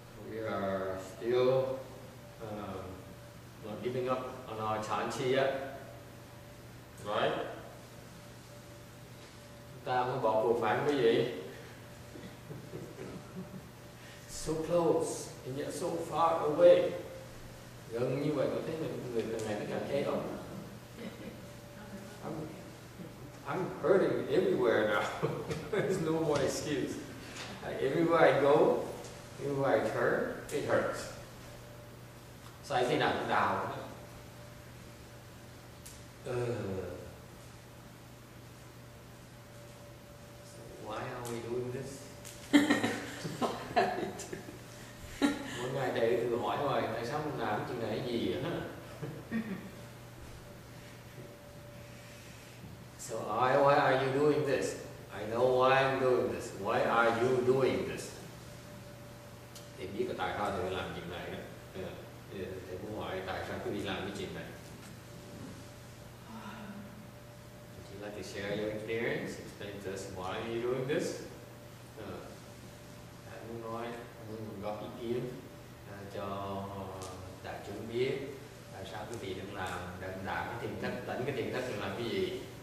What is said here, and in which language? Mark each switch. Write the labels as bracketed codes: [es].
[en] We are still not giving up on our Chan Chi yet, right? [vi] Ta không bỏ cuộc phải không quý vị? [en] So close, and yet so far away. [vi] Gần như vậy có thấy người từng ngày cảm thấy không? [en] I'm hurting everywhere now. There's no more excuse. Everywhere I go, everywhere I turn, it hurts. So I think I'm down. So why are we doing this? [vi] Mỗi ngày đệ tử hỏi hoài tại sao mình làm chuyện này gì á. [en] So why are you doing this? I know why I'm doing this. Why are you doing this? [vi] Thì biết là tại sao tôi làm chuyện này đó. Thì muốn hỏi tại sao tôi đi làm cái chuyện này. [en] Would you like to share your experience? Explain to us why are you doing this? [vi] Hãy muốn nói, muốn góp ý kiến cho đại chúng biết tại sao quý vị đang làm, đang đảm cái thiền thất, đánh cái thiền thất thì làm cái gì.